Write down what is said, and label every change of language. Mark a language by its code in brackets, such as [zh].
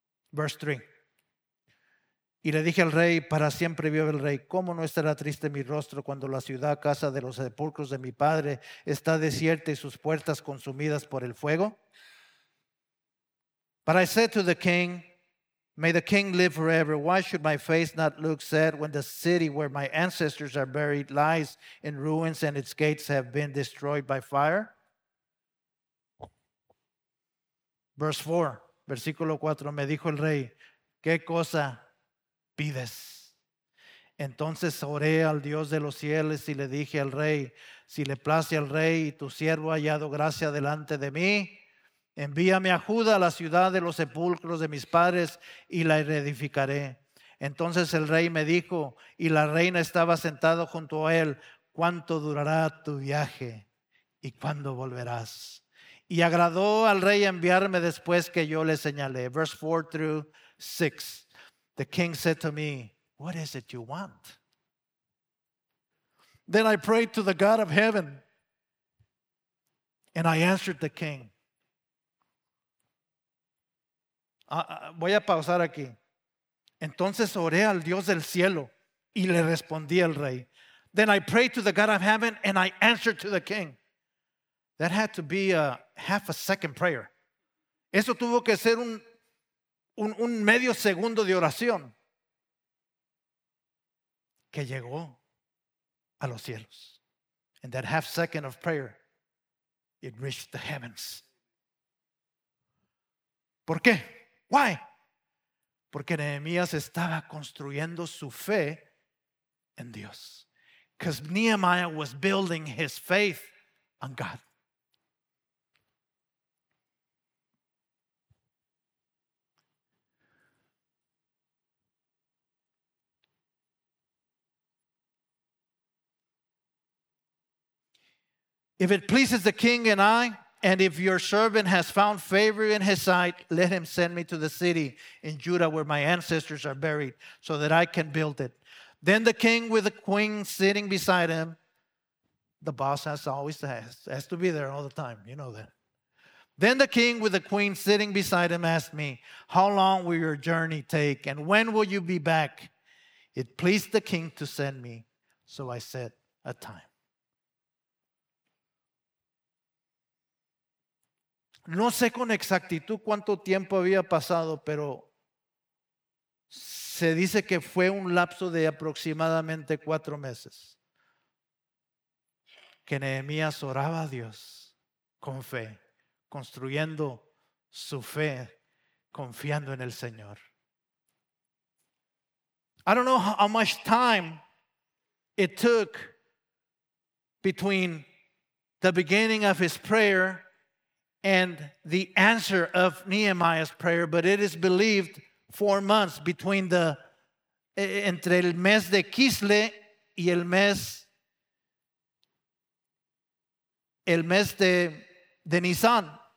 [en] Verse 3. [es] Y le dije al rey: para siempre vive el rey. ¿Cómo no estará triste mi rostro cuando la ciudad, casa de los sepulcros de mi padre, está desierta y sus puertas consumidas por el fuego? [en] But I said to the king, "May the king live forever. Why should my face not look sad when the city where my ancestors are buried lies in ruins and its gates have been destroyed by fire?" [es] Versículo 4, me dijo el rey: ¿qué cosa pides? Entonces oré al Dios de los cielos y le dije al rey: si le place al rey y tu siervo ha hallado gracia delante de mí, envíame a Judá, la ciudad de los sepulcros de mis padres, y la reedificaré. Entonces el rey me dijo, y la reina estaba sentada junto a él: ¿cuánto durará tu viaje y cuándo volverás? Y agradó al rey enviarme después que yo le señalé. [en] Verse 4-6. The king said to me, "What is it you want?" Then I prayed to the God of heaven, and I answered the king. [es] Voy a pausar aquí. Entonces oré al Dios del cielo, y le respondí al rey. [en] Then I prayed to the God of heaven, and I answered to the king. That had to be a half a second prayer. [es] Eso tuvo que ser un medio segundo de oración que llegó a los cielos. [en] In that half second of prayer, it reached the heavens. [es] ¿Por qué? [en] Why? [es] Porque Nehemías estaba construyendo su fe en Dios. [en] Because Nehemiah was building his faith on God. If it pleases the king and I, and if your servant has found favor in his sight, let him send me to the city in Judah where my ancestors are buried so that I can build it. Then the king with the queen sitting beside him, the boss has to be there all the time, you know that. Then the king with the queen sitting beside him asked me, "How long will your journey take and when will you be back?" It pleased the king to send me, so I set a time. [es] No sé con exactitud cuánto tiempo había pasado, pero se dice que fue un lapso de aproximadamente 4 meses que Nehemías oraba a Dios con fe, construyendo su fe, confiando en el Señor. [en] I don't know how much time it took between the beginning of his prayer and the answer of Nehemiah's prayer, but it is believed 4 months between the [es] entre el mes de Kisle y el mes de Nisan.